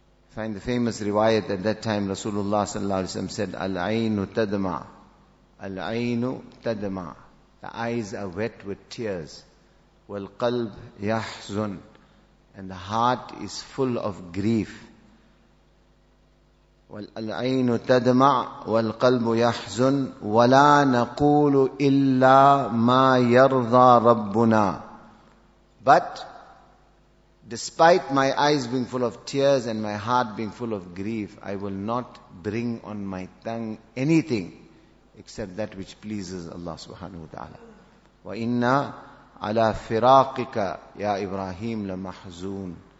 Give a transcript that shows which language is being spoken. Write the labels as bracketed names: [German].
[English] Find the famous riwayat at that time, Rasulullah sallallahu alayhi wa sallam said, [Arabic] Al-aynu tadma, al-aynu tadma, [English] the eyes are wet with tears, [Arabic] wal-qalb yahzun, [English] and the heart is full of grief. [Arabic] والعين تدمع والقلب يحزن ولا نقول إلا ما يرضى ربنا. [English] But despite my eyes being full of tears and my heart being full of grief, I will not bring on my tongue anything except that which pleases Allah subhanahu wa ta'ala. [Arabic] وَإِنَّ عَلَىٰ فِرَاقِكَ يَا إِبْرَاهِيمُ لَمَحْزُونَ.